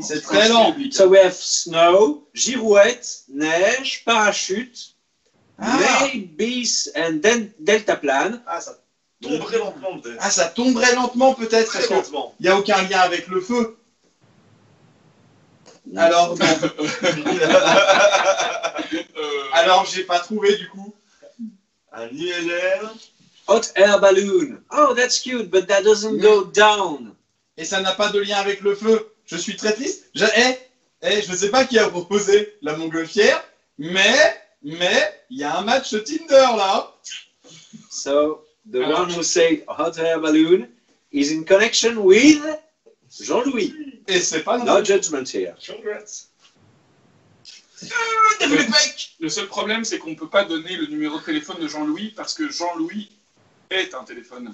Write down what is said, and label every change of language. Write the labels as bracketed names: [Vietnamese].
[French] c'est très lent. [English] So we have snow, girouette, neige, parachute, base and then delta plan. [French] Ah, ça tomberait lentement peut-être. Ah, ça tomberait lentement peut-être. Très lentement. Il n'y a aucun lien avec le feu. Non, alors, alors, j'ai pas trouvé du coup. Un ILR. [English] Hot air balloon. Oh, that's cute, but that doesn't go down. [French] Et ça n'a pas de lien avec le feu. Je suis très triste. Je ne sais pas qui a proposé la montgolfière, mais il y a un match Tinder là. [English] So the one who said hot air balloon is in connection with Jean-Louis. [French] Et c'est pas [English] non. No judgment here. Congrats. [French] Le seul problème, c'est qu'on ne peut pas donner le numéro de téléphone de Jean-Louis parce que Jean-Louis est un téléphone.